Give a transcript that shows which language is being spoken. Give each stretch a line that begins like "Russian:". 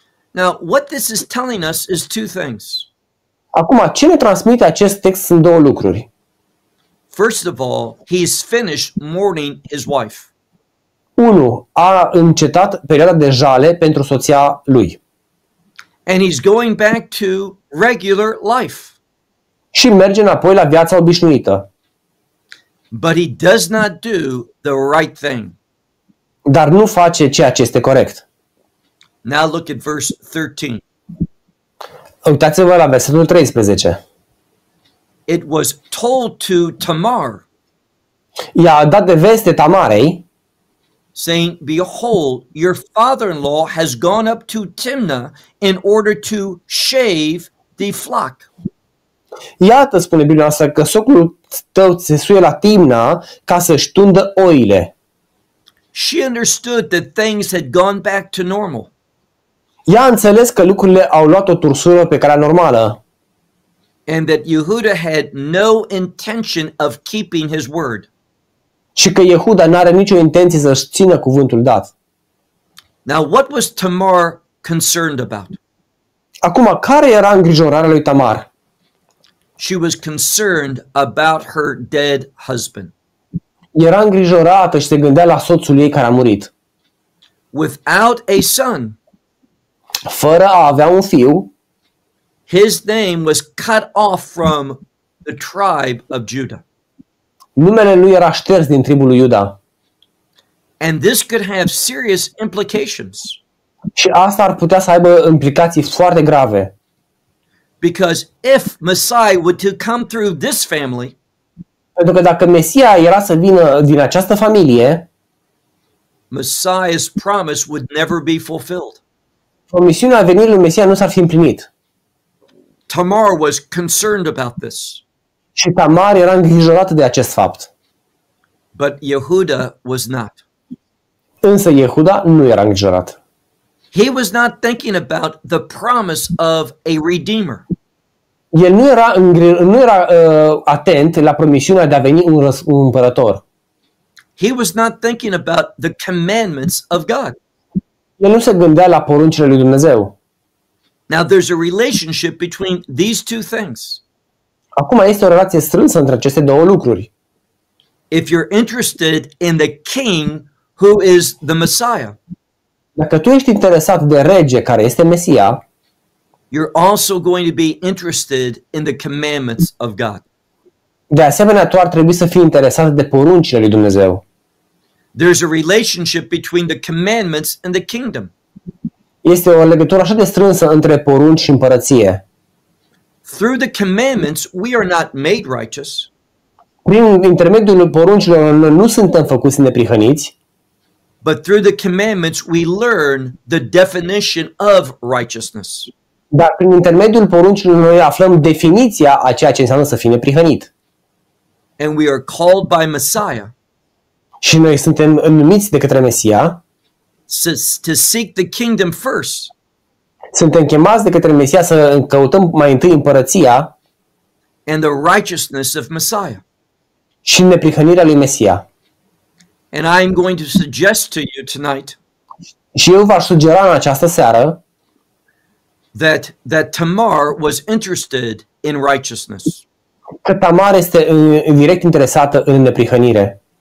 English: Now, what this is telling us is two things.
Romanian: Acum, ce ne transmite acest text sunt două lucruri.
English: First of all, he's finished mourning his wife. 1.
Romanian: A încetat perioada de jale pentru soția lui.
English: And he's going back to regular life.
Romanian: Și merge înapoi la viața obișnuită.
English: But he does not do the right thing.
Romanian: Dar nu face ceea ce este corect.
English: Now look at verse 13.
Romanian: Uitați-vă la versetul 13.
English: It was told to Tamar.
Romanian: I-a dat de veste Tamarei.
English: Saying, behold, your father-in-law has gone up to Timna in order to shave the flock.
Romanian: Iată, spune Biblia noastră, că socrul tău se suie la Timna ca să-și tundă oile.
English: She understood that things had gone back to normal.
Romanian: Ea a înțeles că lucrurile au luat o tursură pe calea normală.
English: And that Yehuda had no intention of keeping his word.
Romanian: Și că Yehuda n-are nicio intenție să-și țină cuvântul dat.
English: Now, what was Tamar concerned about?
Romanian: Acum, care era îngrijorarea lui Tamar?
English: She was concerned about her dead husband.
Romanian: Era îngrijorată și se gândea la soțul ei care a murit.
English: Without a son.
Romanian: Fără a avea un fiu.
English: His name was cut off from the tribe of Judah.
Romanian: Numele lui era șters din tribul lui Iuda.
English: And this could have serious implications.
Romanian: Și asta ar putea să aibă implicații foarte grave.
English: Because if Messiah would to come through this family,
Romanian: pentru că dacă Mesia era să vină din această familie,
English: Messiah's promise would never be fulfilled.
Romanian: Promisiunea venirii lui Mesia nu s-ar fi împlinit.
English: Tamar was concerned about this.
Romanian: Și Tamar era îngrijorată de acest fapt.
English: But Yehuda was not.
Romanian: Însă Yehuda nu era îngrijorat.
English: He was not thinking about the promise of a redeemer.
Romanian: El nu era atent la promisiunea de a veni un împărător.
English: He was not thinking about the commandments of God.
Romanian: El nu se gândea la poruncile lui Dumnezeu.
English: Now there's a relationship between these two things.
Romanian: Acum este o relație strânsă între aceste două lucruri.
English: If you're interested in the king who is the Messiah,
Romanian: dacă tu ești interesat de rege care este Mesia,
English: you're also going to be interested in the commandments of God.
Romanian: De asemenea, tu ar trebui să fii interesat de poruncile lui Dumnezeu.
English: There's a relationship between the commandments and the kingdom.
Romanian: Este o legătură așa de strânsă între porunci și împărăție.
English: Through the commandments, we are not made righteous.
Romanian: Prin intermediul poruncilor, noi nu suntem făcuți neprihăniți.
English: But through the commandments, we learn the definition of righteousness.
Romanian: Dar prin intermediul poruncilor, noi aflăm definiția a ceea ce înseamnă să fii neprihănit.
English: And we are called by Messiah.
Romanian: Și noi suntem numiți de către Mesia.
English: To seek the kingdom first.
Romanian: Suntem chemați de către Mesia să căutăm mai întâi împărăția
English: and the righteousness of Messiah.
Romanian: Și neprihănirea lui Mesia.
English: And I'm going to suggest to you tonight.
Romanian: Și eu v-aș sugera în această seară
English: that Tamar was interested in righteousness.
Romanian: Că Tamar este direct interesată în neprihănire.